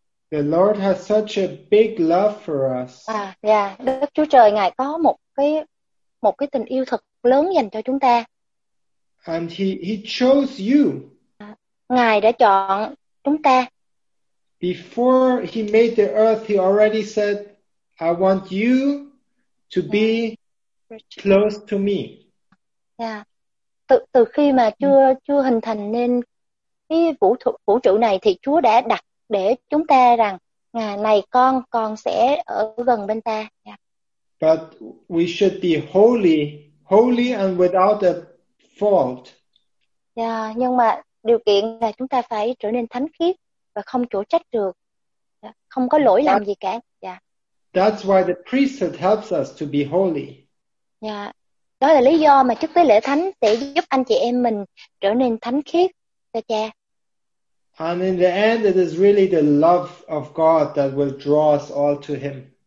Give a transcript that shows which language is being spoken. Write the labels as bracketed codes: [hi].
[en] The Lord has such a big love for us. [vi] Đức Chúa Trời Ngài có một cái tình yêu thật lớn dành cho chúng ta. [en] And he chose you. [vi] Ngài đã chọn chúng ta. [en] Before he made the earth, he already said, I want you to be close to me. Yeah. [vi] Từ khi mà chưa hình thành nên cái vũ trụ này, thì Chúa đã đặt để chúng ta rằng, Ngài này con sẽ ở gần bên ta. Yeah. [en] But we should be holy and without a fault. [vi] Yeah, nhưng mà điều kiện là chúng ta phải trở nên thánh khiết và không chỗ trách được, không có lỗi làm gì cả. Yeah. [en] That's why the priesthood helps us to be holy. Yeah, [vi] Đó là lý do mà chức tế lễ thánh sẽ giúp anh chị em mình trở nên thánh khiết, thưa cha. [en] And in the end, it is really the love of God that will draw us all to Him.